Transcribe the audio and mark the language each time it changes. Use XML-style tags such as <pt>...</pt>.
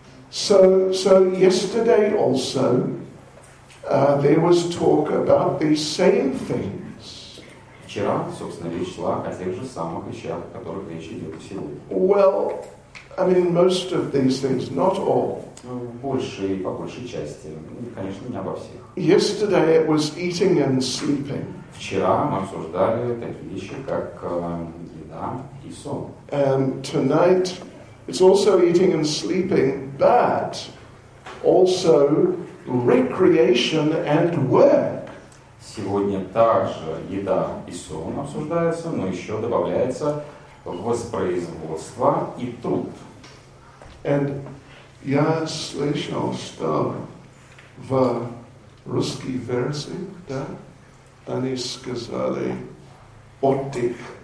<en>So yesterday also, there was talk about these same things.</en> <ru>Вчера, собственно, речь шла о тех же самых вещах, о которых речь идет сегодня.</ru> <en>Well, I mean, most of these things, not all.</en> <ru>По большей части, конечно, не обо всех.</ru> <en>Yesterday it was eating and sleeping.</en> <ru>Вчера мы обсуждали такие вещи, как еда и сон.</ru> <en>And tonight it's also eating and sleeping, but also recreation and work.</en> <ru>Сегодня также еда и сон обсуждается, но еще добавляется воспроизводство и труд.</ru> <en>And</en> <ru>я слышал, что в русской версии, да, они сказали отдых.</ru>